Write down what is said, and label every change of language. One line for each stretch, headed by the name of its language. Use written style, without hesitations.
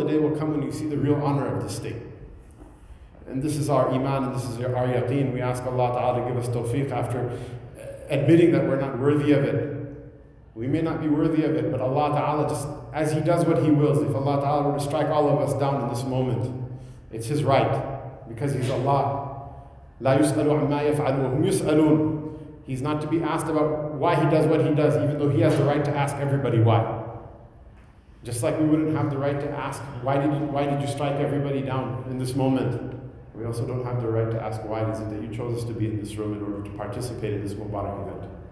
English: A day will come when you see the real honor of this state. And this is our iman, and this is our yaqeen. We ask Allah ta'ala to give us tawfiq after admitting that we're not worthy of it. We may not be worthy of it, but Allah ta'ala, just as He does what He wills, if Allah ta'ala were to strike all of us down in this moment, it's His right, because He's Allah.
Arabic: لا يسألوا عما يفعلوا وهم يسألون.
English: He's not to be asked about why He does what He does, even though He has the right to ask everybody why. Just like we wouldn't have the right to ask, why did you strike everybody down in this moment? We also don't have the right to ask, why is it that you chose us to be in this room in order to participate in this Mubarak event?